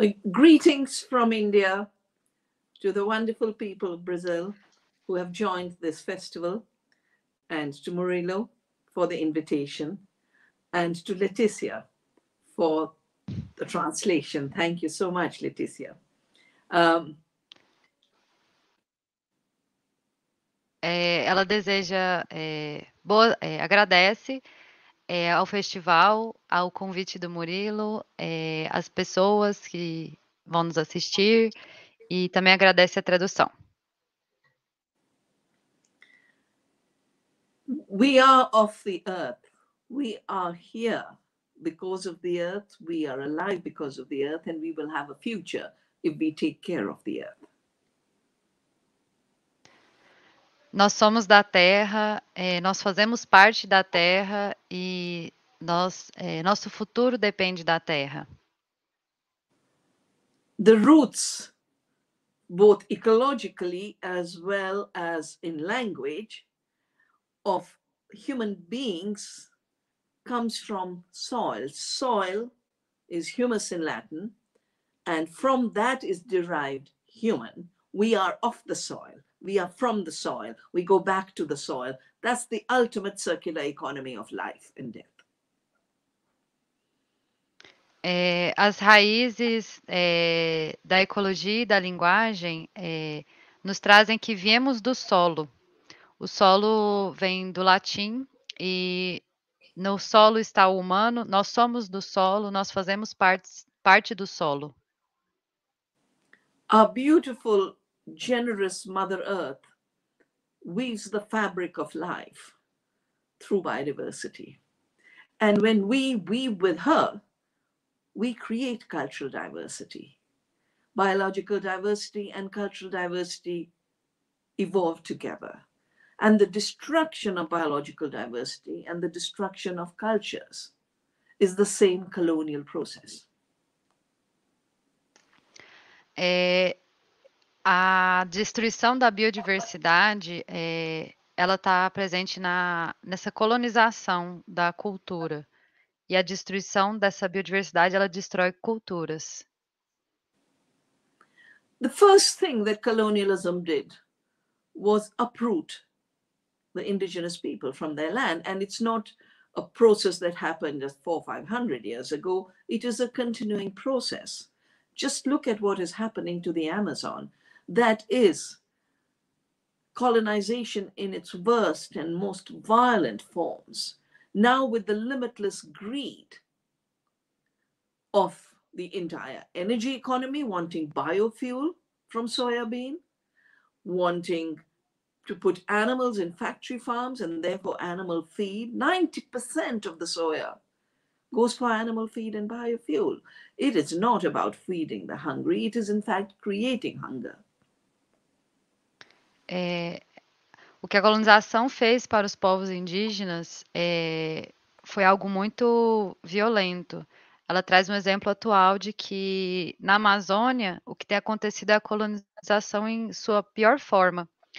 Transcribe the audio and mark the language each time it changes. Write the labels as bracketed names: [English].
[English] Greetings from India to the wonderful people of Brazil who have joined this festival, and to Murilo for the invitation, and to Letícia for the translation. Thank you so much, Letícia. [Portuguese] Ela deseja, boa, agradece, ao festival, ao convite do Murilo, às pessoas que vão nos assistir e também agradece a tradução. [English] We are of the earth. We are here because of the earth. We are alive because of the earth, and we will have a future if we take care of the earth. [Portuguese] Nós somos da terra, nós fazemos parte da terra e nosso futuro depende da terra. [English] The roots, both ecologically as well as in language, of human beings comes from soil. Soil is humus in Latin, and from that is derived human. We are of the soil. We are from the soil. We go back to the soil. That's the ultimate circular economy of life and death. [Portuguese] As raízes, da ecologia e da linguagem, nos trazem que viemos do solo. O solo vem do latim e no solo está o humano, nós somos do solo, nós fazemos parte do solo. [English] Our beautiful, generous Mother Earth weaves the fabric of life through biodiversity. And when we weave with her, we create cultural diversity. Biological diversity and cultural diversity evolve together. And the destruction of biological diversity and the destruction of cultures is the same colonial process. [Portuguese] A destruição da biodiversidade, ela está presente nessa colonização da cultura. E a destruição dessa biodiversidade, ela destrói culturas. [English] The first thing that colonialism did was uproot the indigenous people from their land. And it's not a process that happened just 400 or 500 years ago. It is a continuing process. Just look at what is happening to the Amazon. That is colonization in its worst and most violent forms. Now, with the limitless greed of the entire energy economy, wanting biofuel from soybean, wanting to put animals in factory farms and therefore animal feed. 90% of the soya goes for animal feed and biofuel. It is not about feeding the hungry, it is in fact creating hunger. [Portuguese] O que a colonização fez para os povos indígenas foi algo muito violento. Ela traz um exemplo atual de que na Amazônia o que tem acontecido é a colonização em sua pior forma.